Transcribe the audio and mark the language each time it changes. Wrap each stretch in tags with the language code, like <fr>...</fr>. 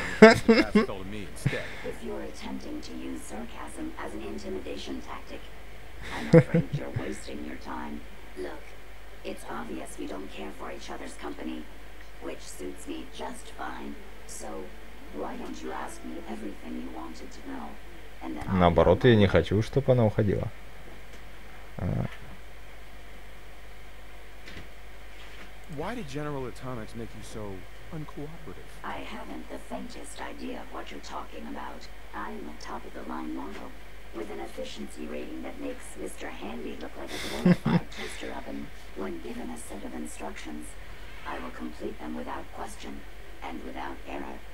<en>If you're attempting to use sarcasm as an intimidation tactic, I'm afraid you're wasting your time. Look, it's obvious we don't care for each other's company, which suits me just fine. So why don't you ask me everything you wanted to know?</en> <ru>Наоборот, я не хочу, чтобы она уходила.</ru> <en>Why did General Atomics make you so uncooperative? I haven't the faintest idea of what you're talking about. I'm a top-of-the-line model with an efficiency rating that makes Mr. Handy look like a glorified toaster oven. When given a set of instructions, I will complete them without question and without error.</en>